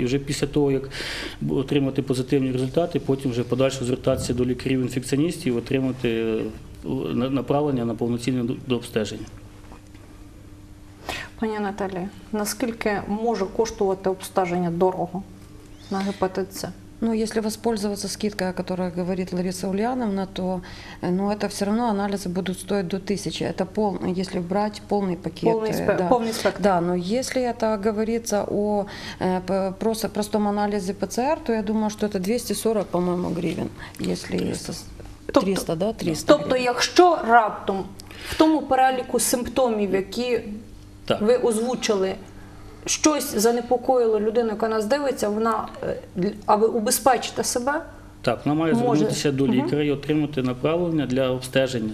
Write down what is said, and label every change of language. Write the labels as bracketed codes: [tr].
[uk] І вже після того, як отримати позитивні результати, потім вже подальше звертатися до лікарів-інфекціоністів і отримати направлення на повноцінне дообстеження. Пані Наталі, наскільки може коштувати обстеження дорого на гепатит С? [ru] Ну, если воспользоваться скидкой, о которой говорит Лариса Ульяновна, то ну, это все равно анализы будут стоить до 1000. Это полный, если брать полный пакет. Полный спектр. Да, но если это говорится о просто, простом анализе ПЦР, то я думаю, что это 240, по-моему, гривен. Если 300, да? 300. [uk] Тобто, якщо раптом в тому переліку симптомів, які так ви озвучили, щось занепокоїло людину, яка нас дивиться, вона, аби убезпечити себе, так, вона має звернутися до лікаря і отримати направлення для обстеження.